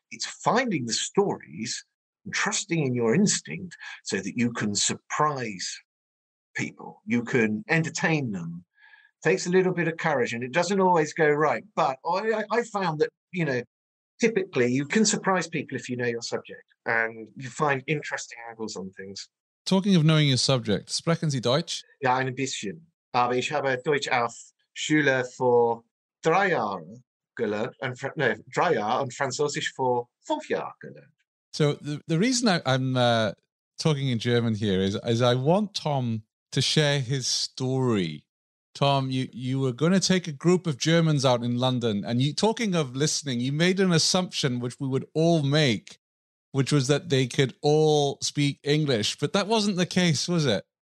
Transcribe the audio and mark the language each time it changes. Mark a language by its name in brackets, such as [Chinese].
[English] It's finding the stories and trusting in your instinct so that you can surprise people, you can entertain them. Takes a little bit of courage, and it doesn't always go right. But I found that, you know, typically you can surprise people if you know your subject and you find interesting angles on things. Talking of knowing your subject, [German] sprechen Sie Deutsch? Ja, ein bisschen. Aber ich habe Deutsch auf Schule für 3 Jahre gelernt. Und Französisch für 5 Jahre gelernt. [English] So the reason I'm talking in German here is I want Tom to share his story. Tom, you were going to take a group of Germans out in London, and you, talking of listening, you made an assumption which we would all make, which was that they could all speak English, but that wasn't the case, was it?